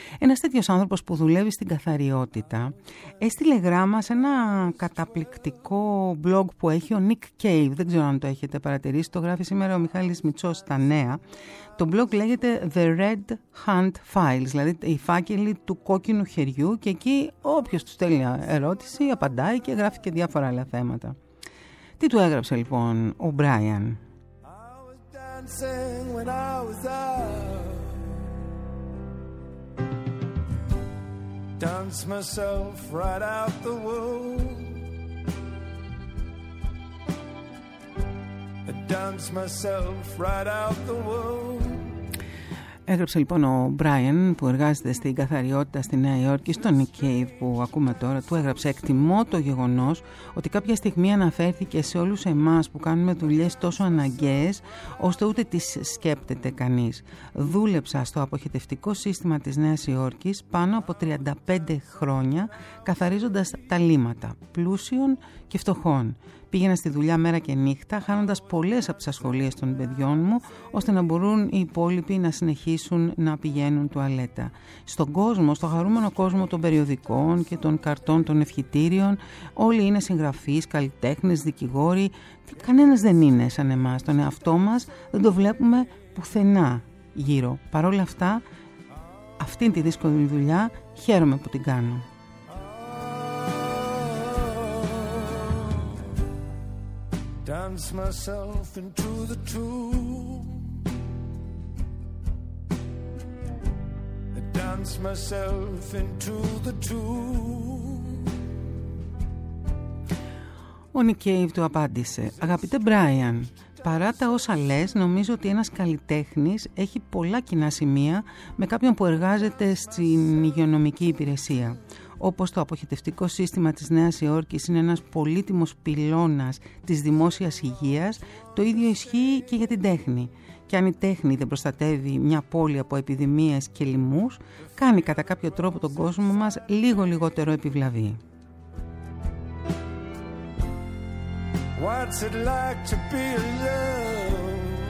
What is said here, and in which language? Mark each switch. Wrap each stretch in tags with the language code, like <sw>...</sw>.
<el>Ένας τέτοιος άνθρωπος που δουλεύει στην καθαριότητα έστειλε γράμμα σε ένα καταπληκτικό blog που έχει ο Nick Cave, δεν ξέρω αν το έχετε παρατηρήσει, το γράφει σήμερα ο Μιχάλης Μητσός στα νέα. Το blog λέγεται The Red Hand Files, δηλαδή η φάκελη του κόκκινου χεριού, και εκεί όποιος του στέλνει ερώτηση απαντάει και γράφει και διάφορα άλλα θέματα. Τι του έγραψε λοιπόν ο Brian?</el> <en>Dancing when I was up, dance myself right out the womb, dance myself right out the womb.</en> <el>Έγραψε λοιπόν ο Brian, που εργάζεται στην καθαριότητα στη Νέα Υόρκη, στο Nick Cave που ακούμε τώρα, του έγραψε: «Εκτιμώ το γεγονός ότι κάποια στιγμή αναφέρθηκε σε όλους εμάς που κάνουμε δουλειές τόσο αναγκαίες, ώστε ούτε τις σκέπτεται κανείς. Δούλεψα στο αποχετευτικό σύστημα της Νέας Υόρκης πάνω από 35 χρόνια, καθαρίζοντας τα λύματα πλούσιων και φτωχών. Πήγαινα στη δουλειά μέρα και νύχτα, χάνοντας πολλές από τις ασχολίες των παιδιών μου, ώστε να μπορούν οι υπόλοιποι να συνεχίσουν να πηγαίνουν τουαλέτα. Στον κόσμο, στο χαρούμενο κόσμο των περιοδικών και των καρτών των ευχητήριων, όλοι είναι συγγραφείς, καλλιτέχνες, δικηγόροι. Κανένας δεν είναι σαν εμάς. Τον εαυτό μας δεν το βλέπουμε πουθενά γύρω. Παρ' όλα αυτά, αυτήν τη δύσκολη δουλειά χαίρομαι που την κάνω».</el> <en>Dance myself into the tomb. Dance myself into the tomb.</en> <el>Ο Nick Cave του απάντησε: «Αγαπητέ Brian, παρά τα όσα λες, νομίζω ότι ένας καλλιτέχνης έχει πολλά κοινά σημεία με κάποιον που εργάζεται στην υγειονομική υπηρεσία. Όπως το αποχετευτικό σύστημα της Νέας Υόρκης είναι ένας πολύτιμος πυλώνας της δημόσιας υγείας, το ίδιο ισχύει και για την τέχνη. Και αν η τέχνη δεν προστατεύει μια πόλη από επιδημίες και λοιμούς, κάνει κατά κάποιο τρόπο τον κόσμο μας λίγο λιγότερο επιβλαβή».</el> <en>What's it like to be alone?</en>